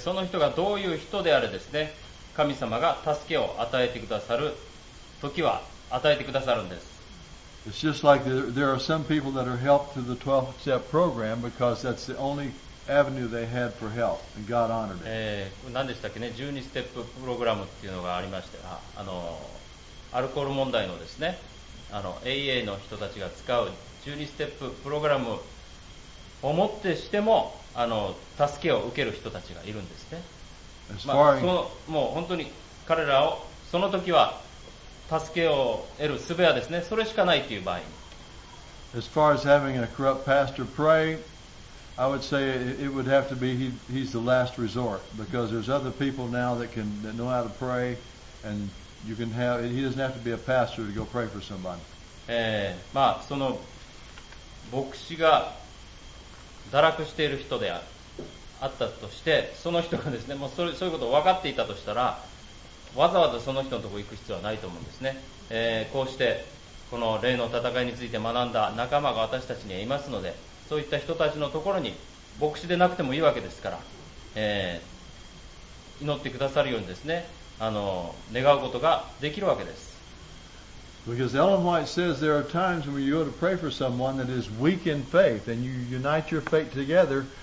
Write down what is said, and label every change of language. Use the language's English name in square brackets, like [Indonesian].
[Japanese] その人がどういう人であれですね、神様が助けを与えてくださる時は与えてくださるんです。 [English] It's just like there are some people that are helped through the 12-step program because that's the only avenue they had for help, and God honored it. [Japanese] 何でしたっけね、12ステッププログラムっていうのがありまして、あのアルコール問題のですね、あの AA の人たちが使う12ステッププログラムを持ってしても、あの助けを受ける人たちがいるんですね。まあ、そのもう本当に彼らをその時は助けを得る術はですね、それしかないという場合に。 [English] As far as having a corrupt pastor pray, I would say it would have to be he's the last resort because there's other people now that know how to pray and you can have he doesn't have to be a pastor to go pray for somebody. [Japanese] まあその牧師が堕落している人であるあったとして、その人がですね、もう そういうことを分かっていたとしたら、わざわざその人のところに行く必要はないと思うんですね。こうしてこの霊の戦いについて学んだ仲間が私たちにはいますので、そういった人たちのところに牧師でなくてもいいわけですから、祈ってくださるようにですね、願うことができるわけです。 [English] Because Ellen White says there are times when you go to pray for someone that is weak in faith, and you unite your faith together.